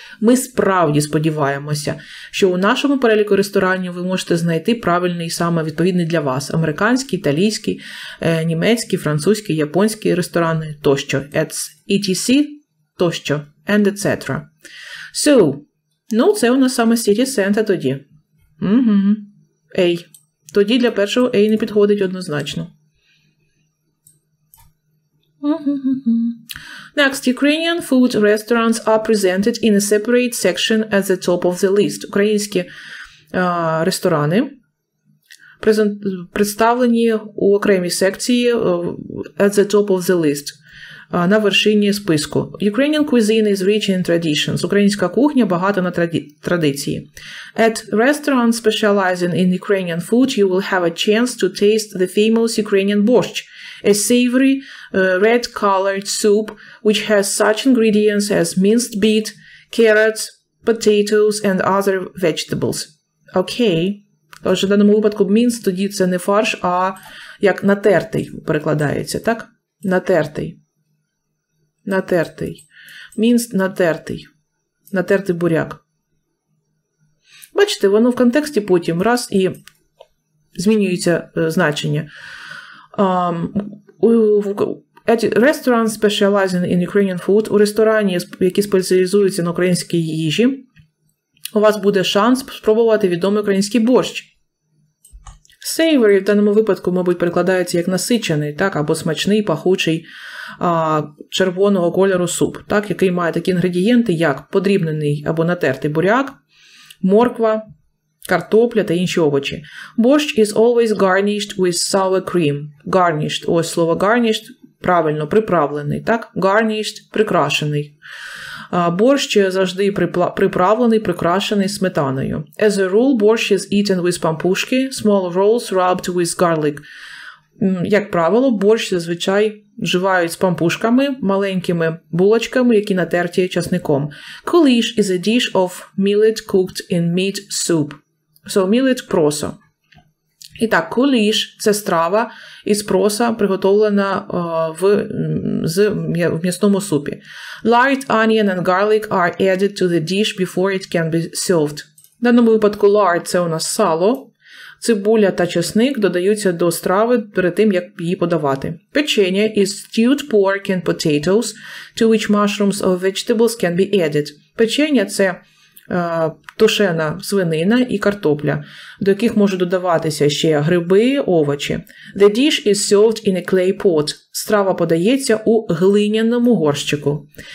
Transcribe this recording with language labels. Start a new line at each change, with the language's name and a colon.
Ukrainian: Ми справді сподіваємося, що у нашому переліку ресторанів ви можете знайти правильний, саме відповідний для вас, американський, італійський, німецький, французький, японський ресторани тощо, etc. тощо, and etc. So, ну, це у нас саме City Center тоді. Угу. A. Тоді для першого A не підходить однозначно.
English: Next, Ukrainian food restaurants are presented in a separate section at the top of the list.
Ukrainian: Українські ресторани представлені у окремій секції at the top of the list.
English: На вершині списку. Ukrainian cuisine is rich in traditions.
Ukrainian: Українська кухня багата на традиції.
English: At restaurants specializing in Ukrainian food, you will have a chance to taste the famous Ukrainian borscht, a savory red-colored soup, which has such ingredients as minced beet, carrots, potatoes, and other vegetables. Okay.
Ukrainian: Тож, в даному випадку minced, тоді це не фарш, а як натертий перекладається, так? Натертий. Натертий. Мінст натертий. Натертий буряк. Бачите, воно в контексті потім раз і змінюється значення. Restaurant specializing in Ukrainian food, у ресторані, які спеціалізуються на українській їжі, у вас буде шанс спробувати відомий український борщ. Savory в даному випадку, мабуть, перекладається як насичений, так, або смачний, пахучий, червоного кольору суп, так, який має такі інгредієнти, як подрібнений або натертий буряк, морква, картопля та інші овочі.
English: Борщ is always garnished with sour cream. Garnished, ось слово garnished, правильно, приправлений, так?
Ukrainian: Garnished, прикрашений. Борщ завжди приправлений, прикрашений сметаною.
English: As a rule, борщ is eaten with pampushki, small rolls rubbed with garlic.
Ukrainian: Як правило, борщ зазвичай вживають з пампушками, маленькими булочками, які натерті часником.
English: Kulish is a dish of millet cooked in meat soup. So, millet proso.
Ukrainian: І так, kulish – це страва із проса, приготовлена в м'ясному супі.
English: Lard, onion and garlic are added to the dish before it can be served.
Ukrainian: В даному випадку lard – це у нас сало. Цибуля та чесник додаються до страви перед тим, як її подавати.
English: Печення is stewed pork and potatoes, to which mushrooms or vegetables can be added.
Ukrainian: Печення – це тушена свинина і картопля, до яких можуть додаватися ще гриби, овочі.
English: The dish is served in a clay pot.
Ukrainian: Страва подається у глиняному горщику.